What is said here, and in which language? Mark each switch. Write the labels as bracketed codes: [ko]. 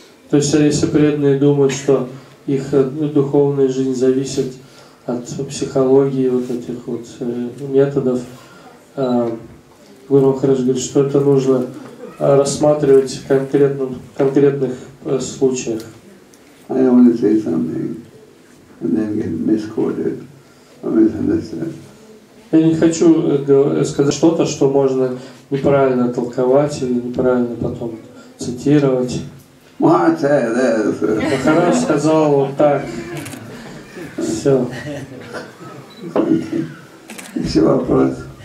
[ru] То есть если преданные думают, что их духовная жизнь зависит от психологии вот этих вот методов, Гуру Махарадж говорит, что это нужно рассматривать конкретных случаях. [en] I don't want to say something and then get misquoted or misunderstood. [ru] Я не хочу сказать что-то, что можно неправильно толковать или неправильно потом. Цитировать. Махарадж сказал вот так. Все. Еще вопрос.